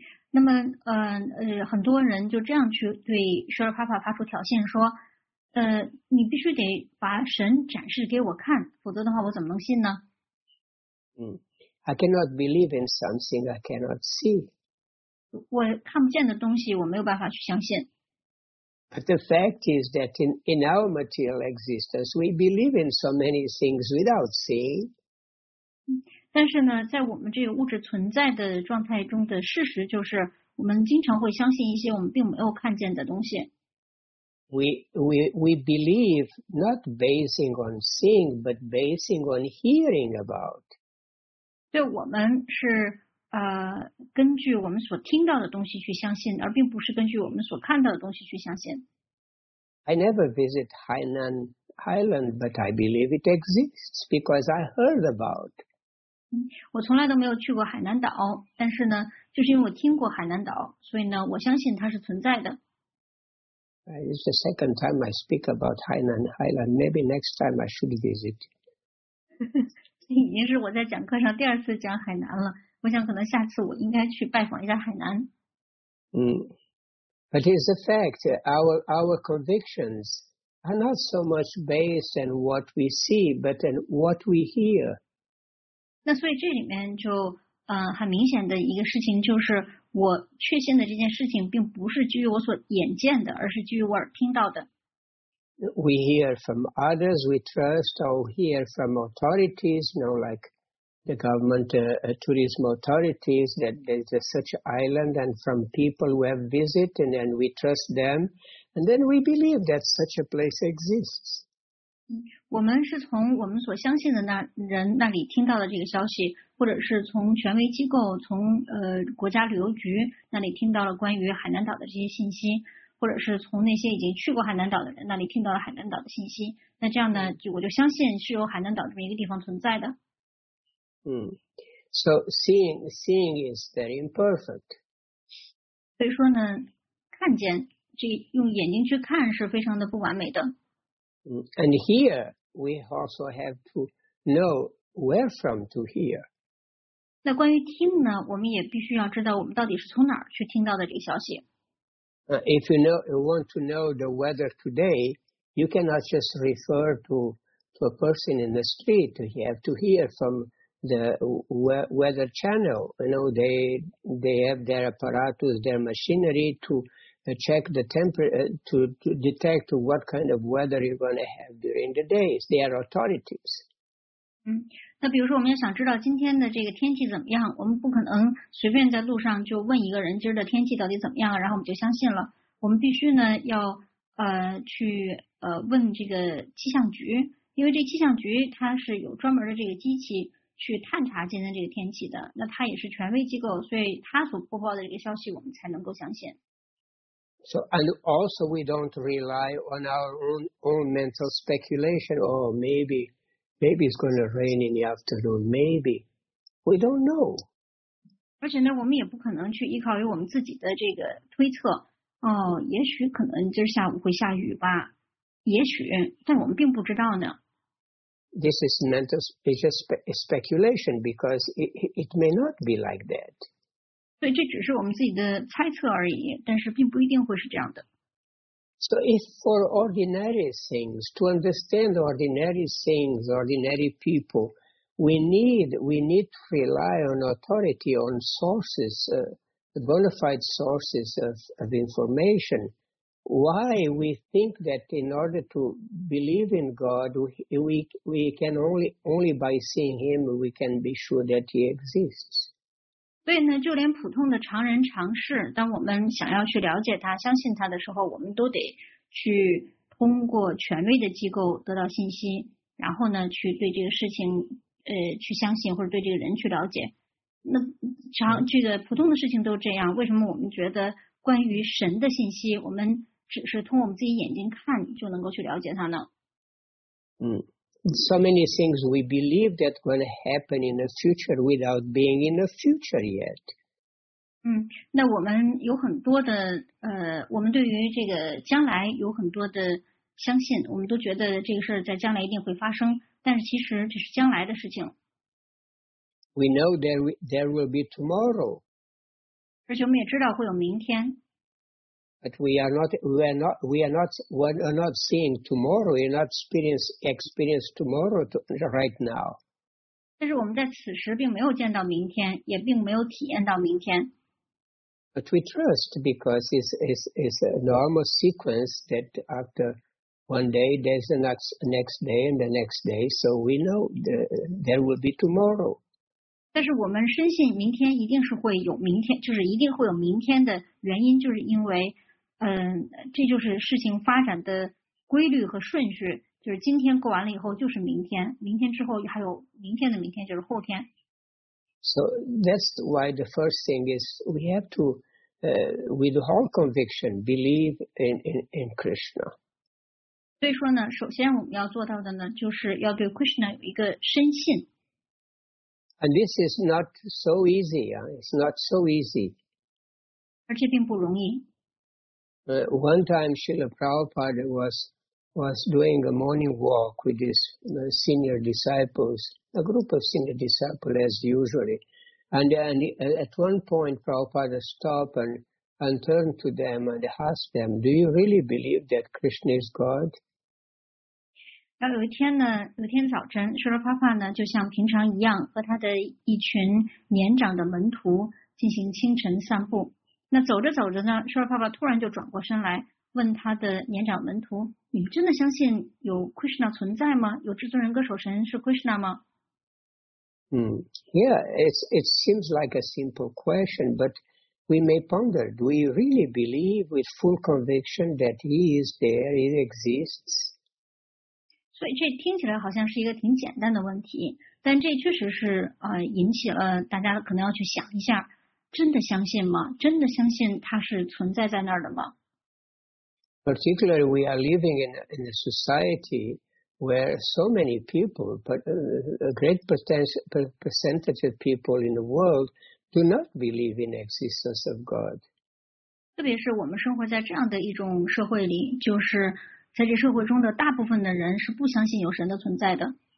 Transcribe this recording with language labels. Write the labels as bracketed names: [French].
[Chinese] 那么很多人就这样去对舍尔帕帕发出挑衅，说，你必须得把神展示给我看，否则的话，我怎么能信呢？ [English] I cannot believe in something I cannot see. [Chinese] 我看不见的东西我没有办法去相信。 [English] But the fact is that in our material existence, we believe in so many things without seeing. [Chinese] 但是呢，在我们这个物质存在的状态中的事实就是，我们经常会相信一些我们并没有看见的东西。 [English] We believe not basing on seeing, but basing on hearing about. [Chinese] 对我们是根据我们所听到的东西去相信，而并不是根据我们所看到的东西去相信。 [English] I never visit Hainan Island, but I believe it exists because I heard about. [Chinese] 我从来都没有去过海南岛，但是呢，就是因为我听过海南岛，所以呢，我相信它是存在的。 [English] It's the second time I speak about Hainan Island. Maybe next time I should visit. [Chinese] 已经是我在讲课上第二次讲海南了，我想可能下次我应该去拜访一下海南。 [English] But it's a fact, our convictions are not so much based on what we see, but on what we hear. [Chinese] 那所以这里面就很明显的一个事情就是，我确信的这件事情并不是基于我所眼见的，而是基于我耳听到的。 [English] We hear from others we trust, or hear from authorities, you know, like the government, tourism authorities, that there's such an island, and from people who have visited, and then we trust them, and then we believe that such a place exists. [Chinese] 我们是从我们所相信的那人那里听到的这个消息，或者是从权威机构，从国家旅游局那里听到了关于海南岛的这些信息。或者是从那些已经去过海南岛的人那里听到了海南岛的信息，那这样呢，就我就相信是有海南岛这么一个地方存在的。 [English] So seeing is very imperfect. [Chinese] 所以说呢，看见这用眼睛去看是非常的不完美的。 [English] And here we also have to know where from to hear. [Chinese] 那关于听呢，我们也必须要知道我们到底是从哪儿去听到的这个消息。 [English] If you know you want to know the weather today, you cannot just refer to a person in the street. You have to hear from the weather channel. You know they have their apparatus, their machinery to check the to detect what kind of weather you're going to have during the day. They are authorities. [Chinese] 那比如说我们要想知道今天的这个天气怎么样，我们不可能随便在路上就问一个人今儿的天气到底怎么样，然后我们就相信了。我们必须呢要去问这个气象局，因为这气象局它是有专门的这个机器去探查今天这个天气的，那它也是权威机构，所以它所播报的这个消息我们才能够相信。 [English] So, and also we don't rely on our own mental speculation, oh, maybe it's going to rain in the afternoon, maybe. We don't know. [Chinese] 而且呢，我们也不可能去依靠于我们自己的这个推测，哦，也许可能今儿下午会下雨吧，也许，但我们并不知道呢。 [English] This is mental, it's just speculation because it may not be like that. [Chinese] 所以这只是我们自己的猜测而已，但是并不一定会是这样的。 [English] So if for ordinary things, to understand ordinary things, ordinary people, we need to rely on authority, on sources, the bona fide sources of information. Why we think that in order to believe in God, we can only by seeing Him, we can be sure that He exists. [Chinese] 所以呢，就连普通的常人常事，当我们想要去了解他、相信他的时候，我们都得去通过权威的机构得到信息，然后呢，去对这个事情，去相信或者对这个人去了解。那这个普通的事情都这样，为什么我们觉得关于神的信息，我们只是通我们自己眼睛看就能够去了解他呢？嗯。 [English] So many things we believe that going to happen in the future without being in the future yet. [Chinese] 嗯，那我们有很多的我们对于这个将来有很多的相信，我们都觉得这个事在将来一定会发生，但是其实这是将来的事情。 [English] We know there will be tomorrow. [Chinese] 而且我们也知道会有明天。 [English] But we are not seeing tomorrow. We are not experience tomorrow right now. [Chinese] 但是我们在此时并没有见到明天，也并没有体验到明天。 [English] But we trust because it's a normal sequence that after one day there's the next day and the next day, so we know there will be tomorrow. [Chinese] 但是我们深信明天一定是会有明天，就是一定会有明天的原因，就是因为。这就是事情发展的规律和顺序，就是今天过完了以后就是明天，明天之后还有明天的明天，就是后天。 [English] So that's why the first thing is we have to, with whole conviction, believe in Krishna. [Chinese] 所以说呢，首先我们要做到的呢，就是要对 Krishna 有一个深信。 [English] And this is not so easy, it's not so easy. [Chinese] 而且并不容易。 [English] One time, Srila Prabhupada was doing a morning walk with his senior disciples, a group of senior disciples as usually. And at one point, Prabhupada stopped and turned to them and asked them, do you really believe that Krishna is God? [Chinese] 然后有一天呢，有一天早晨，Srila Prabhupada呢，就像平常一样，和他的一群年长的门徒进行清晨散步。那走着走着呢，舍尔帕帕突然就转过身来问他的年长门徒，你真的相信有 Krishna 存在吗？有至尊人格守神是 Krishna 吗？ [English] It seems like a simple question, but we may ponder, do we really believe with full conviction that he is there, he exists? [Chinese] 所以这听起来好像是一个挺简单的问题，但这确实是引起了大家可能要去想一下。真的相信吗？真的相信它是存在在那儿的吗？ [English] Particularly, we are living in a society where so many people, but a great percentage of people in the world do not believe in the existence of God. [Chinese] 特别是我们生活在这样的一种社会里，就是在这社会中的大部分的人是不相信有神的存在的。